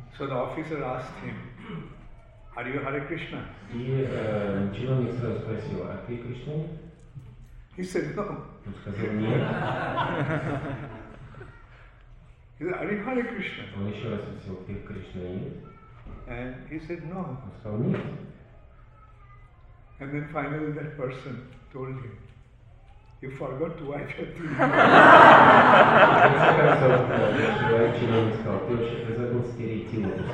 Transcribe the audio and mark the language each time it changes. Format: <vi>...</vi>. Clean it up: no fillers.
<en>So the officer asked him, are you Hare Krishna?</en> <ru>И чиновник сразу спросил, а ты Кришна?</ru> <en>He said, no.</en> <ru>Он сказал, нет.</ru> <en>He said, are you Hare Krishna?</en> <ru>Он еще раз спросил, ты Кришна или нет?</ru> <en>And he said, no.</en> <ru>Он сказал, нет.</ru> <en>And then finally that person told him, you forgot to wipe your teeth.</en> <ru>И он сказал, ты вообще забыл стереть тело.</ru>